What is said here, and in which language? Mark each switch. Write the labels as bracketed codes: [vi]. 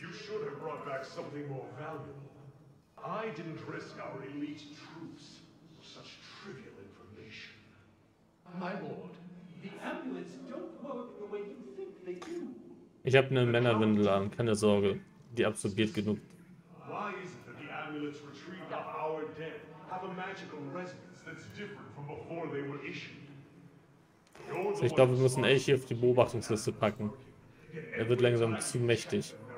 [en] You should have brought back something more valuable. I didn't risk our elite troops for such trivial information. My lord, the amulets don't work the way you think they do. [de] Ich habe eine Männerwindel an, keine Sorge. Die absorbiert genug. [en] Why is it that the amulets retrieved by our dead have a magical resonance that's different from before they were issued? [de] So, ich glaube, wir müssen Elche auf die Beobachtungsliste packen. Er wird langsam zu mächtig.